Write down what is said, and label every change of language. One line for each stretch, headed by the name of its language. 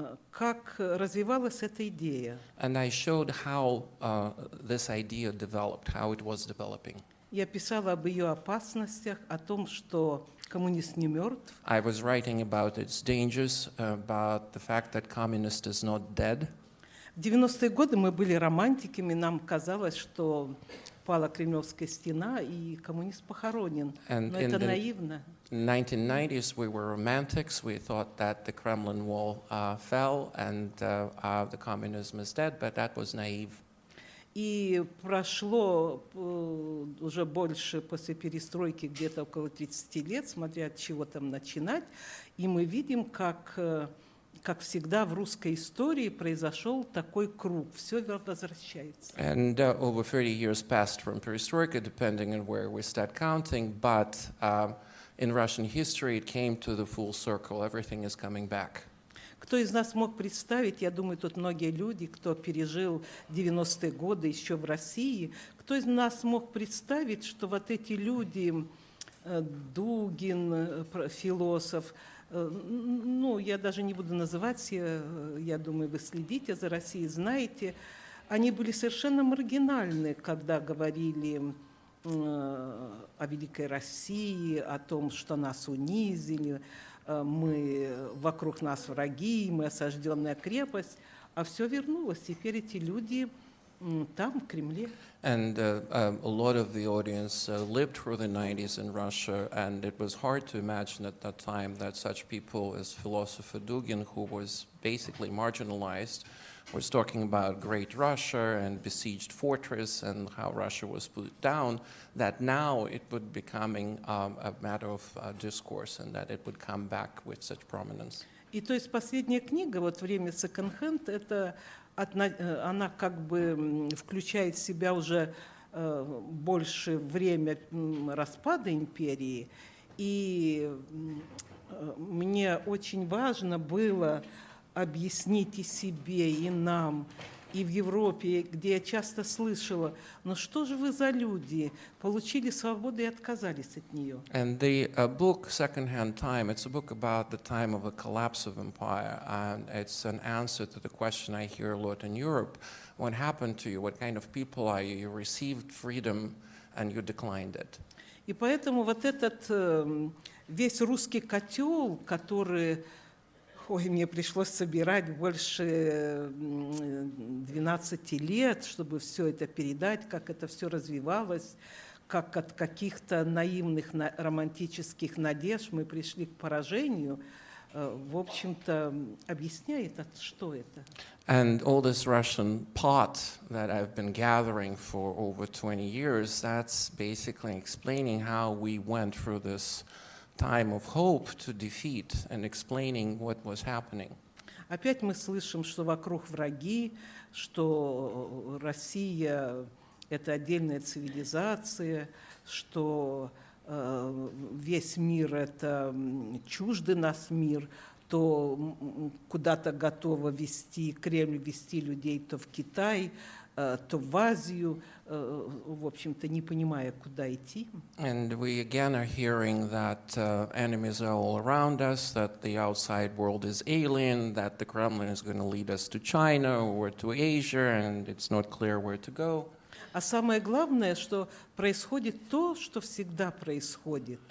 Russian: как развивалась эта идея.
English: And I showed how this idea developed, how it was developing.
Russian: Я писала об ее опасностях, о том, что коммунист не мертв.
English: I was writing about its dangers, about the fact that communist is not dead.
Russian: В 90-е годы мы были романтиками, нам казалось, что пала Кремлевская стена и коммунист похоронен.
English: And
Russian: Но это наивно.
English: In the 1990s, we were romantics. We thought that the Kremlin wall fell and the communism is dead, but that was naive.
Russian: И прошло уже больше после перестройки где-то около 30 лет, смотря от чего там начинать, и мы видим, как всегда в русской истории произошел такой круг. Все возвращается.
English: And over 30 years passed from perestroika, depending on where we start counting, but in Russian history, it came to the full circle. Everything is coming back.
Russian: Кто из нас мог представить, я думаю, тут многие люди, кто пережил 90-е годы еще в России, кто из нас мог представить, что вот эти люди, Дугин, философ, ну, я даже не буду называть, я думаю, вы следите за Россией, знаете, они были совершенно маргинальны, когда говорили... о великой России, о том, что нас унизили, мы вокруг нас враги, мы осажденная крепость, а все вернулось. Теперь эти люди Там, в Кремле.
English: And a lot of the audience lived through the 90s in Russia, and it was hard to imagine at that time that such people as philosopher Dugin, who was basically marginalized, was talking about great Russia and besieged fortress and how Russia was put down, that now it would be becoming a matter of discourse and that it would come back with such prominence.
Russian: И то есть последняя книга, вот «Время секонд-хенд», это одна, она как бы включает в себя уже больше время распада империи. И мне очень важно было объяснить и себе, и нам, и в Европе, где я часто слышала, ну что же вы за люди, получили свободу и отказались от нее.
English: And the book Secondhand Time, it's a book about the time of a collapse of empire, and it's an answer to the question I hear a lot in Europe. What happened to you? What kind of people are you? You received freedom and you declined it.
Russian: И поэтому вот этот весь русский котел, который... Ой, мне пришлось собирать больше 12 лет, чтобы все это передать, как это все развивалось, как от каких-то наивных романтических надежд мы пришли к поражению. В общем-то, объясняет, что это.
English: And all this Russian pot that I've been gathering for over 20 years, that's basically explaining how we went through this time of hope to defeat and explaining what was happening.
Russian: Опять мы слышим, что вокруг враги, что Россия это отдельная цивилизация, что весь мир это чужды нас мир, то куда-то готово вести Кремль вести людей то в Китай, то в Азию, в общем-то, не понимая, куда идти.
English: And we again are hearing that enemies are all around us, that the outside world is alien, that the Kremlin is going to lead us to China or to Asia, and it's not clear where to go.
Russian: А самое главное, что происходит то, что всегда происходит.